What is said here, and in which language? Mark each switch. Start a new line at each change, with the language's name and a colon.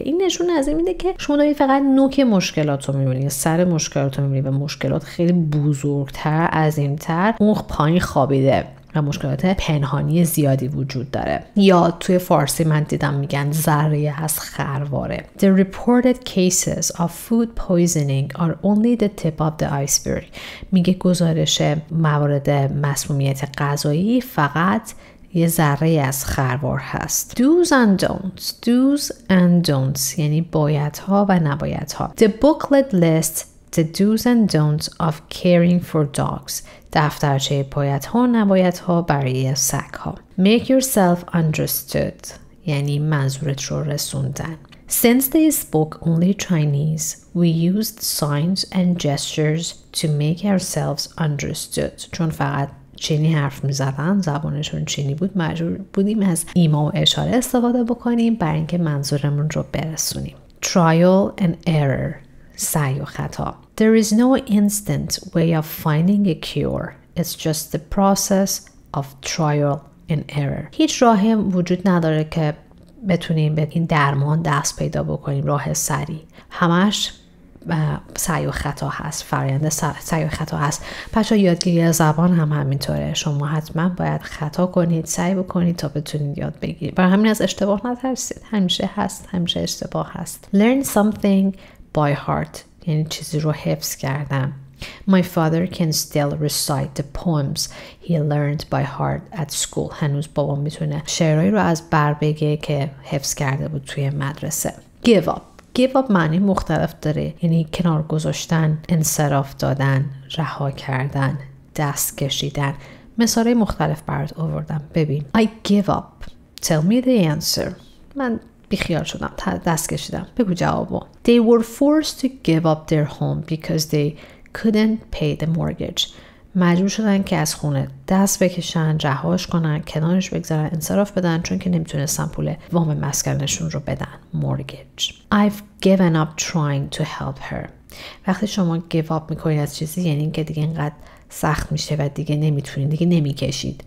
Persian: این نشون از این میده که شما دارید فقط نوک مشکلات رو میبینید، سر مشکلات رو میبینید و مشکلات خیلی بزرگتر، عظیمتر، اون پایین خوابیده و مشکلات پنهانی زیادی وجود داره. یا توی فارسی من دیدم میگن ذره از خرواره.
English: The reported cases of food poisoning are only the tip of the iceberg.
Persian: میگه گزارش موارد مسمومیت غذایی فقط یه ذره از خروار هست.
English: Do's and don'ts. Do's and don'ts
Persian: یعنی بایدها و نبایدها.
English: The booklet lists the do's and don'ts of caring for dogs.
Persian: دفترچه بایدها و نبایدها برای سگ‌ها.
English: Make yourself understood
Persian: یعنی منظورت رو رسوندن.
English: Since they spoke only Chinese, we used signs and gestures to make ourselves understood.
Persian: چون فقط چینی حرف می‌زدن، زبانشون چینی بود، مجبور بودیم از ایما و اشاره استفاده بکنیم برای اینکه منظورمون رو برسونیم.
English: Trial and error
Persian: سعی و خطا.
English: There is no instant way of finding a cure. It's just the process of trial and error.
Persian: هیچ راهی وجود نداره که بتونیم به این درمان دست پیدا بکنیم، راه سری. همش سعی و خطا هست. فرآیند سعی و خطا هست. پس یادگیری زبان هم همینطوره. شما حتما باید خطا کنید، سعی بکنید تا بتونید یاد بگیرید. برای همین از اشتباه نترسید. همیشه هست، همیشه اشتباه هست.
English: Learn something by heart.
Persian: یعنی چیزی رو حفظ کردم.
English: My father can still recite the poems he learned by heart at school.
Persian: هنوز بابام میتونه شعرهایی رو از بر بگه که حفظ کرده بود توی مدرسه.
English: Give up. Give up
Persian: معنی مختلف داره. یعنی کنار گذاشتن، انصراف دادن، رها کردن، دست کشیدن. مثالهای مختلف برات آوردم. ببین.
English: I give up. Tell me the answer.
Persian: من بیخیال شدم، دست کشیدم، بگو جوابو.
English: They were forced to give up their home because they couldn't pay the mortgage.
Persian: مجبور شدن که از خونه دست بکشن، رهاش کنن، کنارش بگذارن، انصراف بدن چون که نمیتونستن پول وام مسکنشون رو بدن، mortgage.
English: I've given up trying to help her.
Persian: وقتی شما give up میکنید از چیزی، یعنی که دیگه اینقدر سخت میشه و دیگه نمیتونید، دیگه نمیکشید.